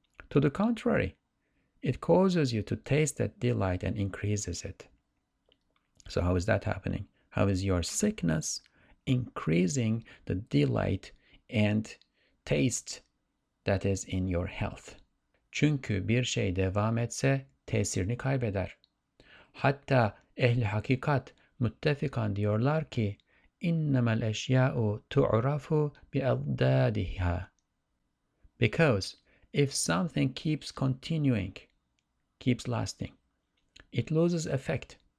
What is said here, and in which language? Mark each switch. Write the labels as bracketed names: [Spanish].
[English] To the contrary, it causes you to taste that delight and increases it. So how is that happening? How is your sickness increasing the delight and taste that is in your health? [Turkish] Çünkü bir şey devam etse tesirini kaybeder. Hatta ehli hakikat muttefikan diyorlar ki [Arabic] اِنَّمَا الْاَشْيَاءُ تُعْرَفُ بِأَضَّادِهَا. [English] Because if something keeps continuing, keeps lasting, it loses effect.